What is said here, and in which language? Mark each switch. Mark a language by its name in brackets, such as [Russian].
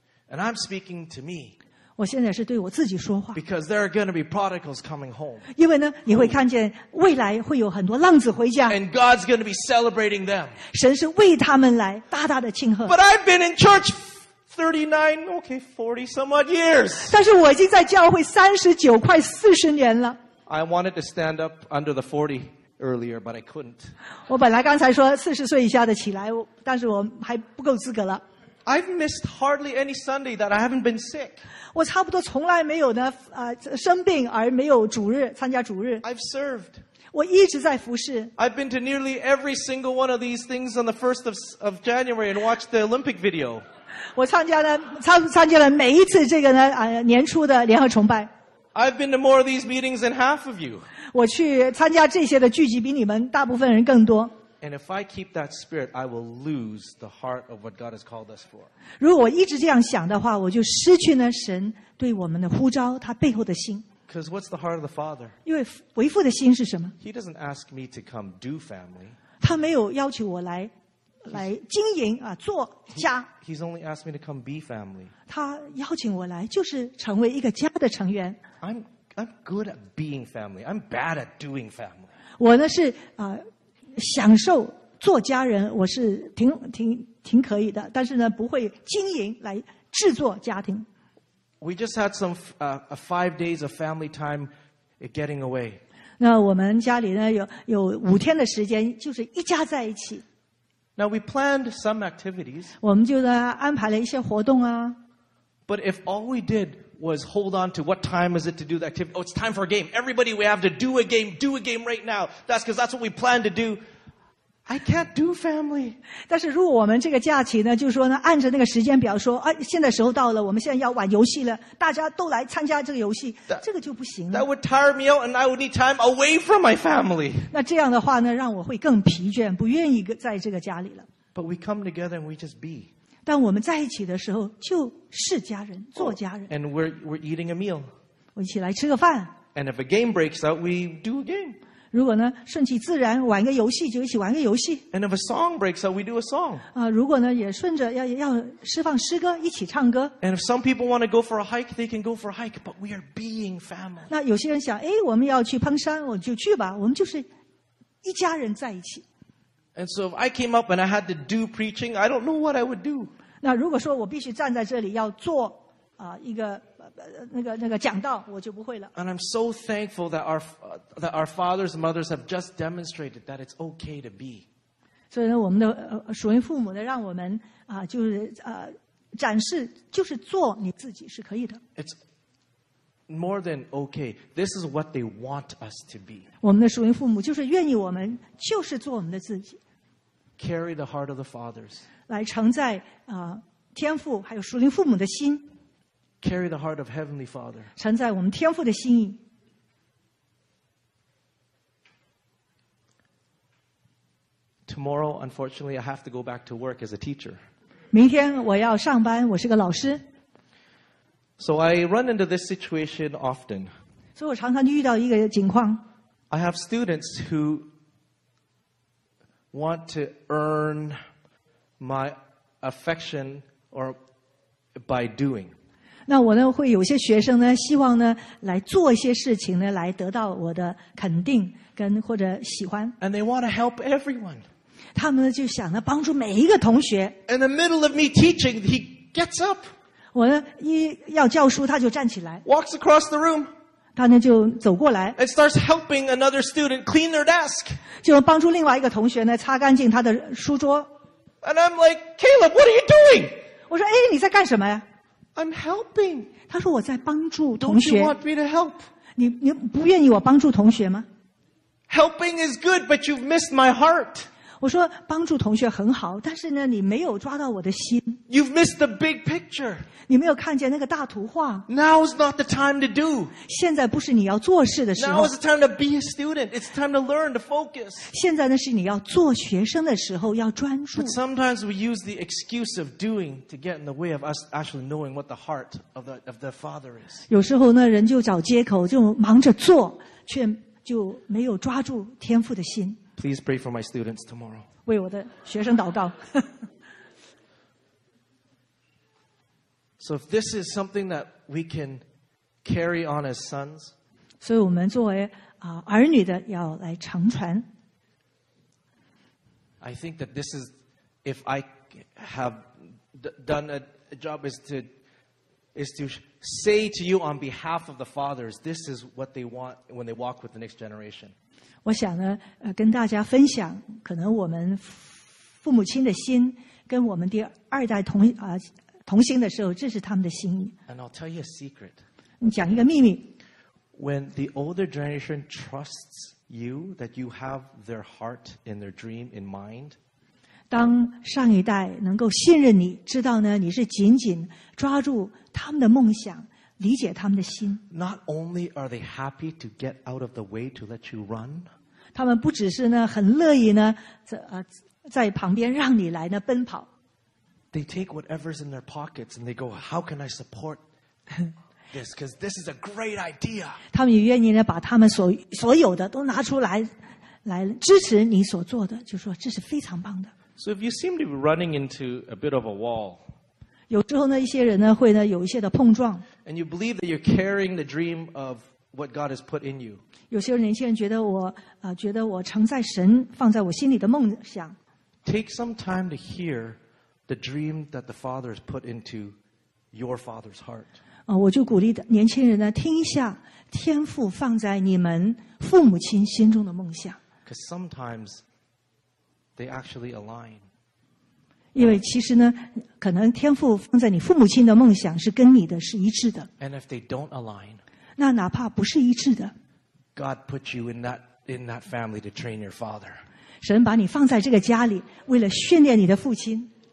[English] And I'm speaking to me. [Chinese] 我现在是对我自己说话。 [English] Because there are going to be prodigals coming home. [Chinese] 因为呢，你会看见未来会有很多浪子回家。 [English] And God's going to be celebrating them. [Chinese] 神是为他们来大大的庆贺。 [English] But I've been in church 39, okay, 40 some odd years. [Chinese] 但是我已经在教会39快40年了。 [English] I wanted to stand up under the 40 earlier, but I couldn't. [Chinese] 我本来刚才说40岁以下的起来，但是我还不够资格了。 [English] I've missed hardly any Sunday that I haven't been sick. [Chinese] 我差不多从来没有呢，生病而没有主日参加主日。 [English] I've served. [Chinese] 我一直在服侍。 [English] I've been to nearly every single one of these things on the 1st of January and watched the Olympic video. [Chinese] 我参加了每一次这个呢，年初的联合崇拜。 [English] I've been to more of these meetings than half of you. [Chinese] 我去参加这些的聚集比你们大部分人更多。 [English] And if I keep that spirit, I will lose the heart of what God has called us for. [Chinese] 如果我一直这样想的话，我就失去呢神对我们的呼召，他背后的心。 [English] Because what's the heart of the father? [Chinese] 因为为父的心是什么 [English] ？He doesn't ask me to come do family. [Chinese] 他没有要求我来经营啊，做家。 [English] He's only asked me to come be family. [Chinese] 他邀请我来，就是成为一个家的成员。 [English] I'm good at being family. I'm bad at doing family. [Chinese] 我呢是啊。享受做家人我是挺可以的但是呢不会经营来制作家庭 [English] We just had some five days of family time getting away [Chinese] 那我们家里呢有五天的时间就是一家在一起 [English] Now we planned some activities [Chinese] 我们就呢安排了一些活动啊 [English] But if all we did was hold on to what time is it to do the activity. Oh, it's time for a game. Everybody, we have to do a game right now. That's because that's what we plan to do. I can't do family. [Chinese] 但是如果我们这个假期呢就是说呢按着那个时间表说啊现在时候到了我们现在要玩游戏了大家都来参加这个游戏 [English] that, [Chinese] 这个就不行了。 [English] That would tire me out and I would need time away from my family. [Chinese] 那这样的话呢让我会更疲倦不愿意在这个家里了。 [English] But we come together and we just be. [Chinese] 当我们在一起的时候就是家人做家人。 [English] Oh, and we're eating a meal. [Chinese] 我一起来吃个饭。 [English] And if a game breaks out, we do a game. [Chinese] 如果呢顺其自然玩个游戏就一起玩个游戏。 [English] And if a song breaks out, we do a song. [Chinese] 如果呢也顺着要释放诗歌一起唱歌。 [English] And if some people want to go for a hike, they can go for a hike, but we are being family. [Chinese] 那有些人想诶我们要去攀山我就去吧我们就是一家人在一起。 [English] And so if I came up and I had to do preaching, I don't know what I would do. [Chinese] 那如果说我必须站在这里要做一个那个讲道我就不会了。 [English] And I'm so thankful that our fathers and mothers have just demonstrated that it's okay to be. [Chinese] 所以呢我们的属灵父母呢让我们就是展示就是做你自己是可以的。 [English] It's more than okay. This is what they want us to be. [Chinese] 我们的属灵父母就是愿意我们就是做我们的自己。 [English] Carry the heart of the fathers. [Chinese] 来承载天父还有属灵父母的心。 [English] Carry the heart of Heavenly Father. [Chinese] 承载我们天父的心意。 [English] Tomorrow, unfortunately, I have to go back to work as a teacher. [Chinese] 明天我要上班，我是个老师。 [English] So I run into this situation often. [Chinese] 所以我常常遇到一个情况。 [English] I have students who want to earn my affection or by doing. [Chinese] 那我呢会有些学生呢希望呢来做一些事情呢来得到我的肯定跟或者喜欢。 [English] And they want to help everyone. [Chinese] 他们呢就想呢帮助每一个同学。 [English] In the middle of me teaching, he gets up. [Chinese] 我呢一要教书他就站起来。 [English] Walks across the room. [Chinese] 他呢就走过来。 [English] And starts helping another student clean their desk. [Chinese] 就帮助另外一个同学呢擦干净他的书桌。 [English] And I'm like, Caleb, what are you doing? [Chinese] 我说诶你在干什么呀 [English] I'm helping. [Chinese] 他说我在帮助同学。 [English] Don't you want me to help? [Chinese] 你不愿意我帮助同学吗 [English] ?Helping is good, but you've missed my heart. [Chinese] 我说帮助同学很好但是呢你没有抓到我的心。 [English] You've missed the big picture. [Chinese] 你没有看见那个大图画。 [English] Now's not the time to do. [Chinese] 现在不是你要做事的时候。 [English] Now is the time to be a student. It's time to learn, to focus. [Chinese] 现在呢是你要做学生的时候要专注。 [English] But sometimes we use the excuse of doing to get in the way of us actually knowing what the heart of the father is. [Chinese] 有时候呢人就找借口就忙着做却就没有抓住天父的心。 [English] Please pray for my students tomorrow. [Chinese] 为我的学生祷告。 [English] So if this is something that we can carry on as sons, [Chinese] 所以我们作为儿女的要来承传。 [English] I think that this is, if I have done a job is to say to you on behalf of the fathers, this is what they want when they walk with the next generation. [Chinese] 我想呢跟大家分享可能我们父母亲的心跟我们第二代同心的时候这是他们的心意。 [English] And I'll tell you a secret. [Chinese] 你讲一个秘密。 [English] When the older generation trusts you, that you have their heart and their dream in mind, [Chinese] 当上一代能够信任你知道呢你是紧紧抓住他们的梦想理解他们的心。 [English] Not only are they happy to get out of the way to let you run, [Chinese] 他们不只是呢很乐意呢在旁边让你来呢奔跑。 [English] They take whatever's in their pockets and they go, how can I support this? Because this is a great idea. [Chinese] 他们也愿意呢把他们所有的都拿出来支持你所做的就说这是非常棒的。 [English] So if you seem to be running into a bit of a wall, [Chinese] 有时候呢一些人呢会呢有一些的碰撞。 [English] And you believe that you're carrying the dream of what God has put in you. [Chinese] 有些年轻人觉得我承载神放在我心里的梦想。 [English] Take some time to hear the dream that the Father has put into your father's heart. [Chinese] 我就鼓励年轻人呢听一下天父放在你们父母亲心中的梦想。 [English] Because sometimes they actually align. [Chinese] 因为其实呢可能天父放在你父母亲的梦想是跟你的是一致的。 [English] And if they don't align, [Chinese] 那哪怕不是一致的。 [English] God put you in that family to train your father. [Chinese] 神把你放在这个家里为了训练你的父亲。